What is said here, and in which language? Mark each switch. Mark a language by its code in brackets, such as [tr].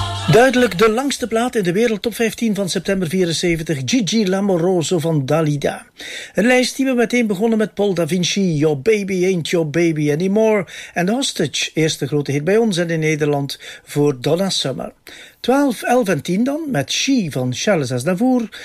[nl] Duidelijk de langste plaat in de wereldtop 15 van september 74. Gigi L'Amoroso van Dalida. Een lijst die we meteen begonnen met Paul Da Vinci. [en] Your baby ain't your baby anymore. [nl] En Hostage, eerste grote hit bij ons en in Nederland voor Donna Summer. 12, 11 en 10 dan met She van Charles Aznavour.